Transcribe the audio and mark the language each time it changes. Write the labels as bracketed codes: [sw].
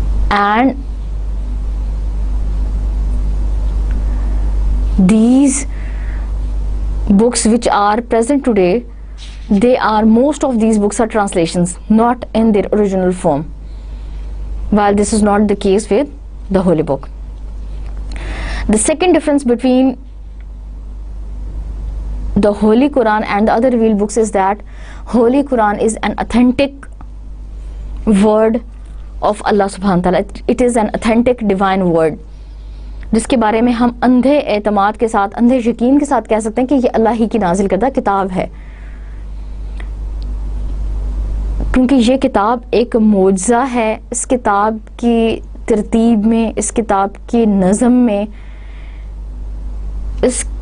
[en] and these books which are present today, they are, most of these books are translations, not in their original form, while this is not the case with the holy book. The second difference between the holy Quran and the other revealed books is that holy Quran is an authentic word of Allah subhanahu wa ta'ala. It is an authentic divine word. [ur] جس کے بارے میں ہم اندھے اعتماد کے ساتھ اندھے یقین کے ساتھ کہہ سکتے ہیں کہ یہ اللہ ہی کی نازل کردہ کتاب ہے کیونکہ یہ کتاب ایک معجزہ ہے اس کتاب کی ترتیب میں اس کتاب کی نظم میں اس